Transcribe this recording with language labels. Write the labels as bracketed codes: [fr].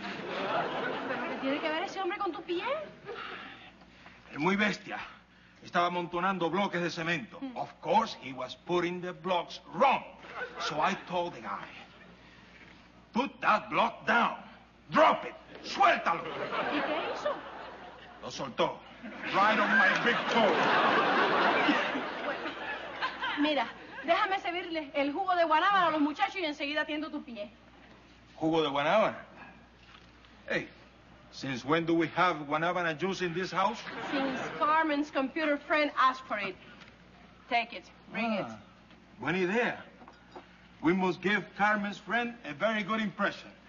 [es] ¿Pero qué tiene que ver ese hombre con tu pie? Es muy bestia. Estaba amontonando bloques de cemento. Mm. [en] Of course, he was putting the blocks wrong. So I told the guy, put that block down. Drop it. [es] Suéltalo. ¿Y qué hizo? Lo soltó. [en] Right on my big toe. Bueno, [es] mira, déjame servirle el jugo de guanábana a los muchachos y enseguida atiendo tu pie. ¿Jugo de guanábana? [en] Hey, since when do we have guanábana juice in this house? Since Carmen's computer friend asked for it. Take it. Bring it. [es] Buena idea. [en] We must give Carmen's friend a very good impression.